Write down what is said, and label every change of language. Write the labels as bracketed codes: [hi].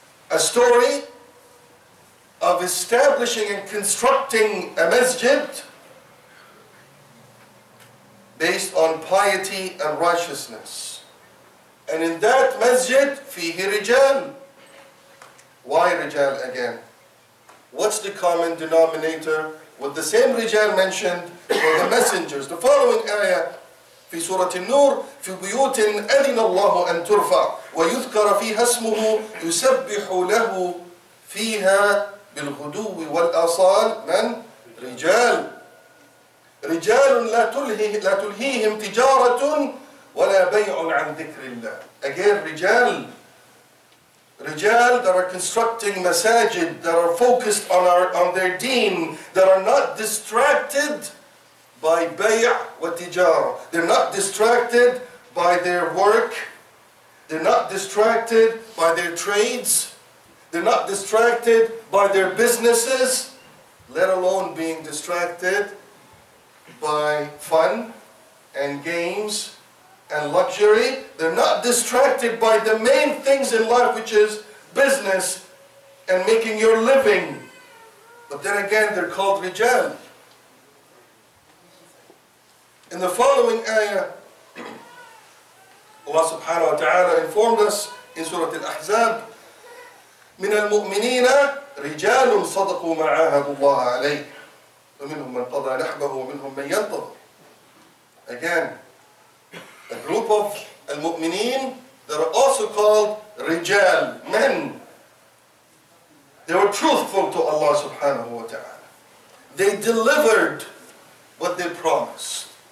[en] A story of establishing and constructing a masjid based on piety and righteousness. And in that masjid, [ar] fihi rijal. [en] Why rijal again? What's the common denominator with the same rijal mentioned for the messengers? The following ayah, [ar] في سورة النور في بيوت أذن الله أن ترفع ويذكر فيها اسمه يسبح له فيها بالغدو والأصال من رجال رجال لا تلهي لا تلهيهم تجارة ولا بيع عن ذكر الله. [en] Again, رجال. Rijal that are constructing masajid, that are focused on their deen, that are not distracted by [ar] bay' wa tijara. [en] They're not distracted by their work. They're not distracted by their trades. They're not distracted by their businesses, let alone being distracted by fun and games and luxury. They're not distracted by the main things in life, which is business and making your living. But then again, they're called rijal. In the following ayah, Allah subhanahu wa ta'ala informed us in Surah Al-Ahzab, [ar] مِنَ الْمُؤْمِنِينَ رِجَالٌ صَدَقُوا مَا عَاهَدُ اللَّهَ عَلَيْهِ فَمِنْهُمْ مَنْ قَضَى نَحْبَهُ وَمِنْهُمْ مَنْ يَنْتَظُ. [en] Again, a group of al-mu'mineen that are also called rijal, men. They were truthful to Allah subhanahu wa ta'ala. They delivered what they promised.